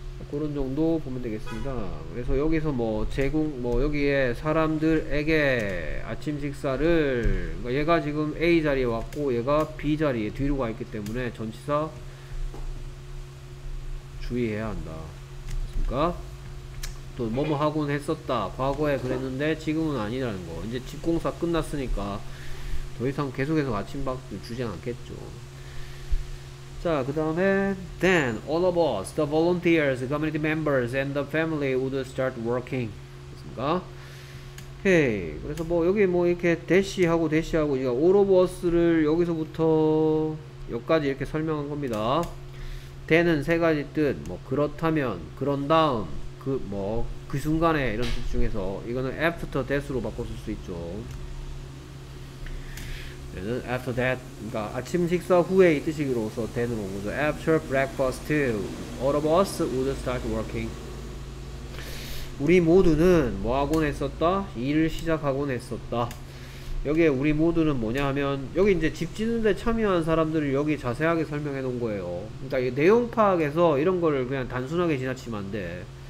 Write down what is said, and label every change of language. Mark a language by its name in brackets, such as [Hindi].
[Korean] 그런 정도 보면 되겠습니다. 그래서 여기서 뭐 제공, 뭐 여기에 사람들에게 아침 식사를, 그러니까 얘가 지금 A 자리에 왔고 얘가 B 자리에 뒤로 가 있기 때문에 전치사 주의해야 한다. 그러니까 또 뭐뭐 하곤 했었다, 과거에 그랬는데 지금은 아니라는 거. 이제 집공사 끝났으니까 더 이상 계속해서 아침밥을 주지 않겠죠. 자, 그 다음에 [English] then all of us, the volunteers, the community members and the family would start working. [Korean] 됐습니까? 오케이. 그래서 뭐 여기 뭐 이렇게 대시하고 대시하고 이거 [English] all of us [Korean] 를 여기서부터 여기까지 이렇게 설명한 겁니다. then은 세 가지 뜻, 뭐 그렇다면, 그런 다음, 그 뭐 그 순간에 이런 뜻 중에서 이거는 after that으로 바꿨을 수 있죠. [English] Then after that, [Korean] 그러니까 아침 식사 후에 이 뜻이기로서 then으로 온거죠. [English] After breakfast, all of us would start working. [Korean] 우리 모두는 뭐하곤 했었다? 일을 시작하곤 했었다. 여기에 우리 모두는 뭐냐 하면 여기 이제 집 짓는데 참여한 사람들을 여기 자세하게 설명해 놓은 거예요. 그러니까 이 내용 파악에서 이런 거를 그냥 단순하게 지나치면 안 돼.